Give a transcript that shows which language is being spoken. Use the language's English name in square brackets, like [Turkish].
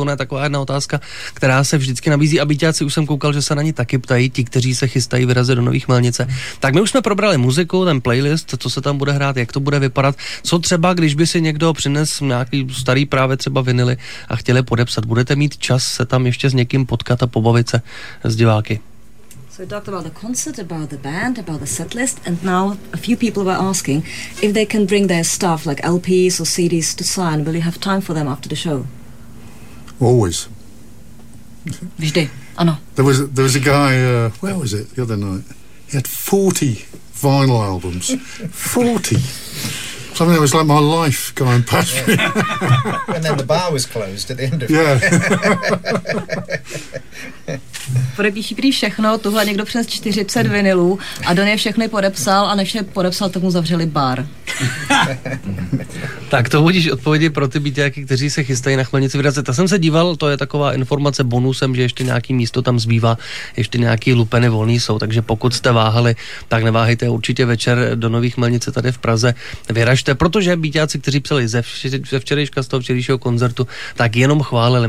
[Czech] Ona je taková jedna otázka, která se vždycky nabízí. A byťáci, už jsem koukal, že se na ní taky ptají, ti, kteří se chystají vyrazit do Nový Chmelnice. Tak my už jsme probrali muziku, ten playlist, co se tam bude hrát, jak to bude vypadat. Co třeba, když by si někdo přinesl nějaký starý právě třeba vinily a chtěli podepsat, budete mít čas tam ještě s někým potkat a pobavit se s diváky. [English] So we talked about the concert, about the band, about the set list, and now a few people were asking if they can bring their stuff like LPs or CDs to sign. Will you have time for them after the show? Always. [Czech] Vždy, ano. [English] There was a guy, where was it the other night? He had 40 vinyl albums. 40! Something that was like my life going past me. And then the bar was closed at the end of it. Yeah. [Czech] Podepíší prý všechno, tuhle někdo přes 40 vinilů a Don je všechny podepsal a než je podepsal, tak mu zavřeli bar. Tak to budíš odpovědi pro ty býťáky, kteří se chystají na Chmelnici vyrazit. Já jsem se díval, to je taková informace bonusem, že ještě nějaký místo tam zbývá, ještě nějaký lupeny volný jsou, takže pokud jste váhali, tak neváhejte, určitě večer do Nový Chmelnice tady v Praze vyražte, protože býťáci, kteří psali ze včerejška, z toho včerejšího koncertu, tak jenom chválili.